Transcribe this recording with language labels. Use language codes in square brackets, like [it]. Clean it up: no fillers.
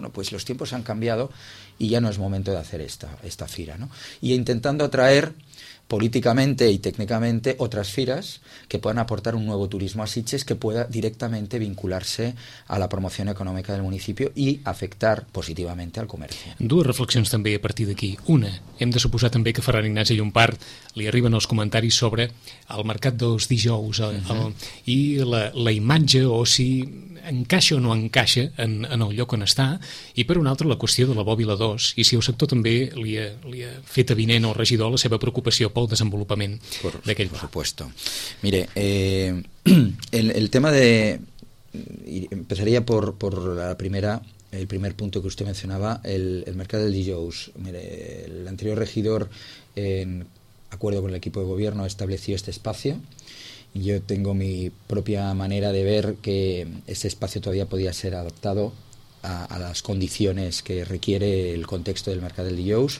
[es] Bueno, pues los tiempos han cambiado y ya no es momento de hacer esta fira, ¿no? Y intentando atraer políticamente y técnicamente otras firas que puedan aportar un nuevo turismo a Sitges, que pueda directamente vincularse a la promoción económica del municipio y afectar positivamente al comercio. [ca] Dues reflexions també a partir d'aquí. Una, hem de suposar també que Ferran Ignasi Llompart li arriben els comentaris sobre el mercat dels dijous i la imatge, o si encaixa o no encaixa en el lloc on està, i per una altra la qüestió de la Bòbila 2 i si el sector també li ha fet avinent al regidor la seva preocupació pel desenvolupament d'aquell pla. [es] Supuesto. Mire, el tema de... Empezaría por la primera, el primer punto que usted mencionaba, el mercado del dijous. Mire, el anterior regidor, en acuerdo con el equipo de gobierno, estableció este espacio. Yo tengo mi propia manera de ver que ese espacio todavía podía ser adaptado a las condiciones que requiere el contexto del mercado del dijous.